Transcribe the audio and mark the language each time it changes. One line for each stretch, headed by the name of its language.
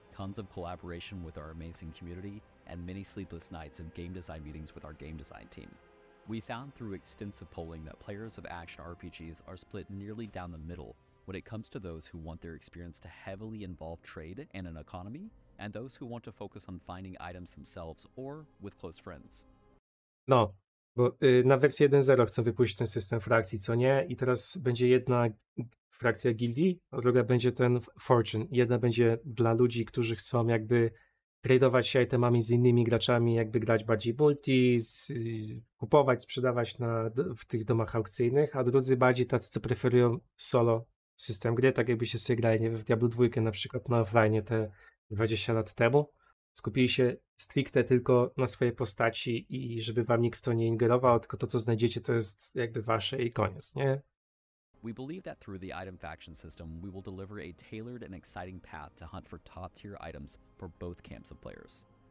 English: Tons of collaboration with our amazing community, and many sleepless nights of game design meetings with our game design team. We found through extensive polling that players of action RPGs are split nearly down the middle when it comes to those who want their experience to heavily involve trade and an economy, and those who want to focus on finding items themselves or with close friends.
Polish: No, bo na wersji 1.0 chcą wypuścić ten system frakcji, co nie? I teraz będzie jedna frakcja gildii, a druga będzie ten Fortune. Jedna będzie dla ludzi, którzy chcą jakby tradować się itemami z innymi graczami, jakby grać bardziej multi, kupować, sprzedawać w tych domach aukcyjnych, a drudzy bardziej tacy, co preferują solo system gry, tak jakby się sobie grali, nie wiem, w Diablo 2 na przykład na offline te 20 lat temu. Skupili się stricte tylko na swojej postaci i żeby wam nikt w to nie ingerował, tylko to, co znajdziecie, to jest jakby wasze i koniec, nie?
English: We believe that through the item faction system, we will deliver a tailored and exciting path to hunt for top-tier items for both camps of players.